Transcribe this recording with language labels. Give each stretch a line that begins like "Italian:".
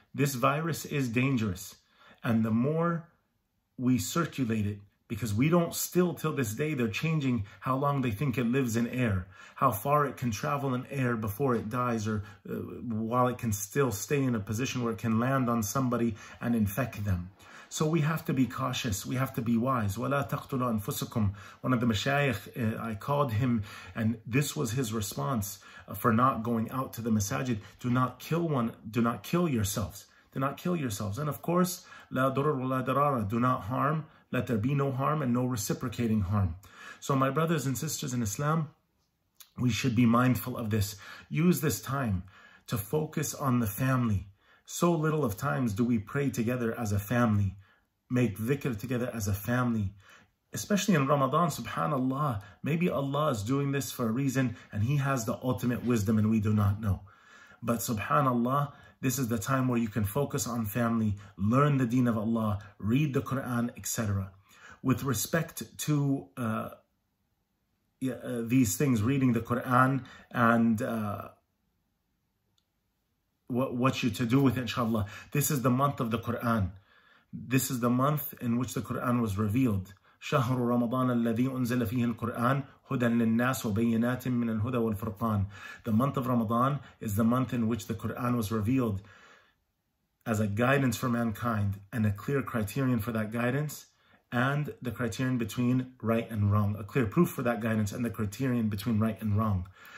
English: This virus is dangerous. And the more we circulate it, because we don't still, till this day, they're changing how long they think it lives in air, how far it can travel in air before it dies, or while it can still stay in a position where it can land on somebody and infect them. So we have to be cautious. We have to be wise.
Arabic: وَلَا تَقْتُلُوا أَنفُسَكُمْ.
English: One of the mashayikh, I called him, and this was his response for not going out to the masajid. Do not kill yourselves. Do not kill yourselves. And of course,
Arabic: لَا ضُرُرُ وَلَا دَرَارَ.
English: Do not harm. Let there be no harm and no reciprocating harm. So my brothers and sisters in Islam, we should be mindful of this. Use this time to focus on the family. So little of times do we pray together as a family, make dhikr together as a family, especially in Ramadan, subhanAllah. Maybe Allah is doing this for a reason and He has the ultimate wisdom and we do not know. But subhanAllah, this is the time where you can focus on family, learn the deen of Allah, read the Quran, etc. With respect to these things, reading the Quran and what you to do with it, inshallah. This is the month of the Quran. This is the month in which the Quran was revealed.
Arabic: شهر رمضان الذي أنزل فيه القرآن هدى للناس وبينات من الهدى والفرقان.
English: The month of Ramadan is the month in which the Quran was revealed as a guidance for mankind and a clear criterion for that guidance and the criterion between right and wrong. A clear proof for that guidance and the criterion between right and wrong.